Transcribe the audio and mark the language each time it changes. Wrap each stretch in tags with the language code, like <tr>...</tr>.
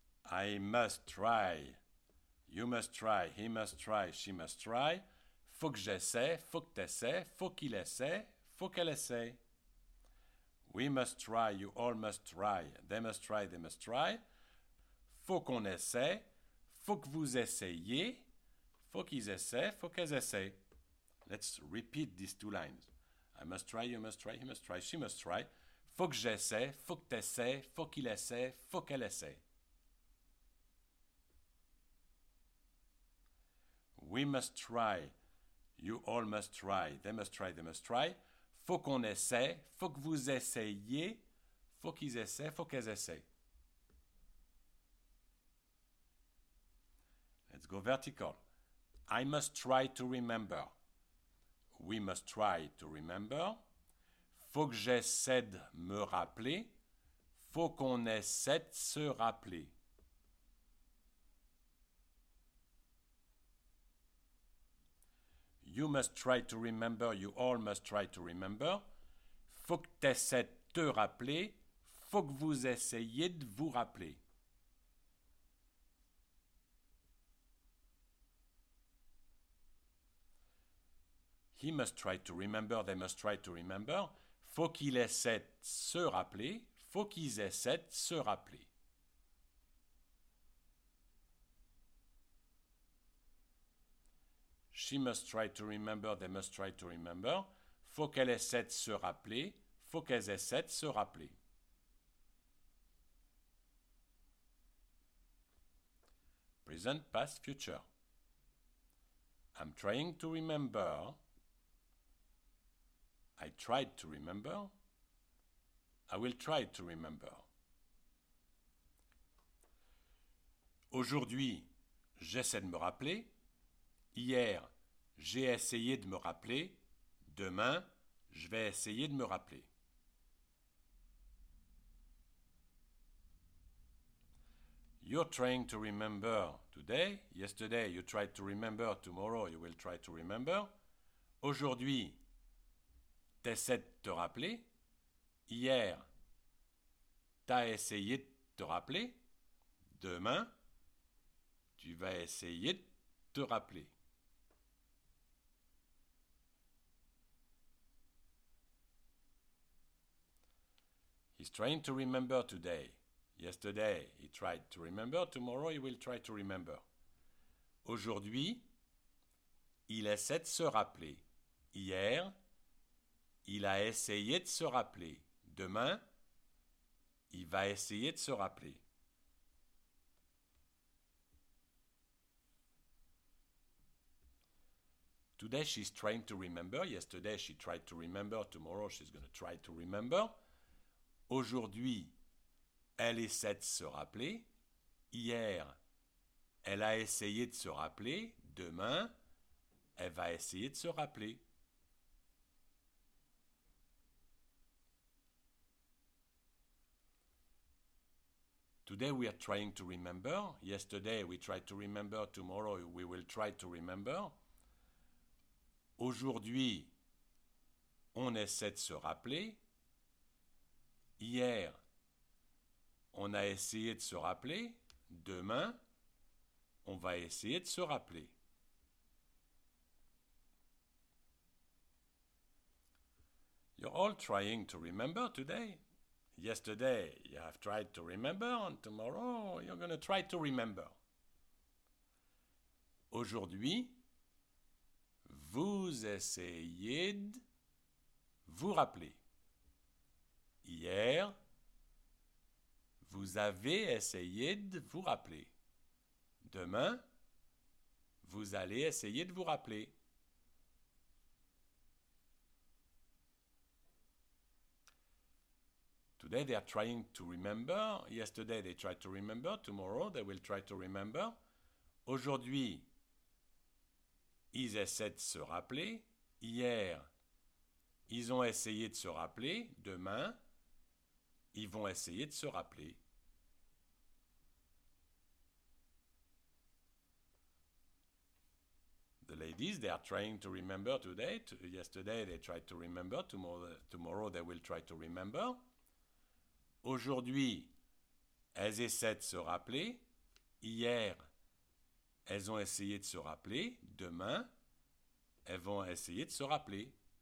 <en>I must try. You must try. He must try. She must try.</en> <fr>Faut que j'essaie. Faut que t'essaie. Faut qu'il essaie. Faut qu'elle essaie.</fr> <en>We must try. You all must try. They must try. They must try.</en> <fr>Faut qu'on essaie. Faut que vous essayiez. Faut qu'ils essaient. Faut qu'elles essaient.</fr> <en>Let's repeat these two lines. I must try, you must try, he must try, she must try.</en> <fr>Faut que j'essaie, faut que t'essaies, faut qu'il essaie, faut qu'elle essaie.</fr> <en>We must try, you all must try, they must try, they must try.</en> <fr>Faut qu'on essaie, faut que vous essayiez, faut qu'ils essaient, faut qu'elles essaient.</fr> <en>Let's go vertical. I must try to remember. We must try to remember.</en> <fr>Faut que j'essaie de me rappeler. Faut qu'on essaie de se rappeler.</fr> <en>You must try to remember. You all must try to remember.</en> <fr>Faut que t'essaies de te rappeler. Faut que vous essayiez de vous rappeler.</fr> <en>He must try to remember, they must try to remember.</en> <fr>Faut qu'il essaie de se rappeler, faut qu'ils essaient de se rappeler.</fr> <en>She must try to remember, they must try to remember.</en> <fr>Faut qu'elle essaie de se rappeler, faut qu'elles essaient de se rappeler.</fr> <en>Present, past, future. I'm trying to remember. I tried to remember. I will try to remember.</en> <fr>Aujourd'hui, j'essaie de me rappeler. Hier, j'ai essayé de me rappeler. Demain, je vais essayer de me rappeler.</fr> <en>You're trying to remember today. Yesterday, you tried to remember. Tomorrow, you will try to remember.</en> <fr>Aujourd'hui, t'essaies de te rappeler. Hier, t'as essayé de te rappeler. Demain, tu vas essayer de te rappeler.</fr> <en>He's trying to remember today. Yesterday, he tried to remember. Tomorrow, he will try to remember.</en> <fr>Aujourd'hui, il essaie de se rappeler. Hier, il a essayé de se rappeler. Demain, il va essayer de se rappeler.</fr> <en>Today, she's trying to remember. Yesterday, she tried to remember. Tomorrow, she's going to try to remember.</en> <fr>Aujourd'hui, elle essaie de se rappeler. Hier, elle a essayé de se rappeler. Demain, elle va essayer de se rappeler.</fr> <en>Today we are trying to remember. Yesterday we tried to remember. Tomorrow we will try to remember.</en> <fr>Aujourd'hui, on essaie de se rappeler. Hier, on a essayé de se rappeler. Demain, on va essayer de se rappeler.</fr> <en>You're all trying to remember today. Yesterday, you have tried to remember, and tomorrow, you're going to try to remember.</en> <fr>Aujourd'hui, vous essayez de vous rappeler. Hier, vous avez essayé de vous rappeler. Demain, vous allez essayer de vous rappeler.</fr> <en>Today they are trying to remember. Yesterday they tried to remember. Tomorrow they will try to remember.</en> <fr>Aujourd'hui, ils essaient de se rappeler. Hier, ils ont essayé de se rappeler. Demain, ils vont essayer de se rappeler.</fr> <en>the ladies, they are trying to remember today. Yesterday they tried to remember. Tomorrow they will try to remember.</en> <fr>Aujourd'hui, elles essaient de se rappeler. Hier, elles ont essayé de se rappeler. Demain, elles vont essayer de se rappeler.</fr>